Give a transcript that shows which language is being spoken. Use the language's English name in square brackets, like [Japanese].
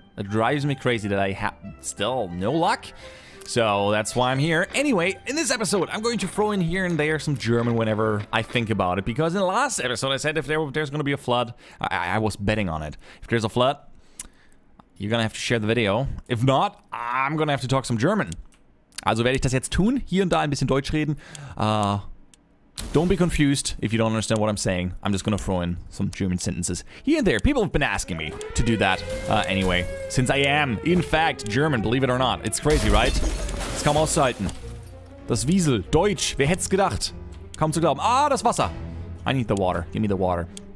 [English] It drives me crazy that I have still no luck, so that's why I'm here. Anyway, in this episode, I'm going to throw in here and there some German whenever I think about it, because in the last episode I said if there's going to be a flood, I was betting on it. If there's a flood, you're going to have to share the video. If not, I'm going to have to talk some German. [German] Also werde ich das jetzt tun, hier und da ein bisschen Deutsch reden. [English] Don't be confused if you don't understand what I'm saying. I'm just gonna throw in some German sentences here and there. People have been asking me to do that anyway, since I am, in fact, German, believe it or not. It's crazy, right? [German] Es kam auszuhalten. Das Wiesel, Deutsch, wer hätte es gedacht? Kaum zu glauben. Ah, das Wasser. [English] I need the water. [German] Give me the water.